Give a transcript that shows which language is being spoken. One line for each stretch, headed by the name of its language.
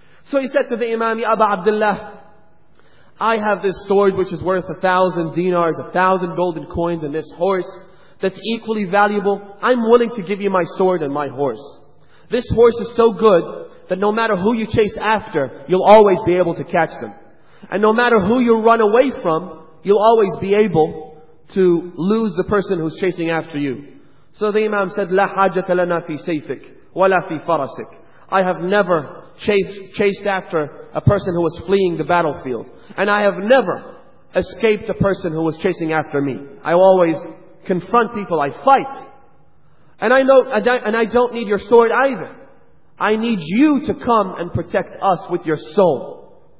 English: So he said to the Imam, Ya Aba Abdullah, I have this sword which is worth 1,000 dinars, 1,000 golden coins, and this horse that's equally valuable. I'm willing to give you my sword and my horse. This horse is so good that no matter who you chase after, you'll always be able to catch them. And no matter who you run away from, you'll always be able to lose the person who's chasing after you. So the Imam said,
Arabic: لا حاجة لنا في سيفك ولا في فرسك.
English: I have never chased after a person who was fleeing the battlefield. And I have never escaped a person who was chasing after me. I always confront people, I fight. And I don't need your sword either. I need you to come and protect us with your soul.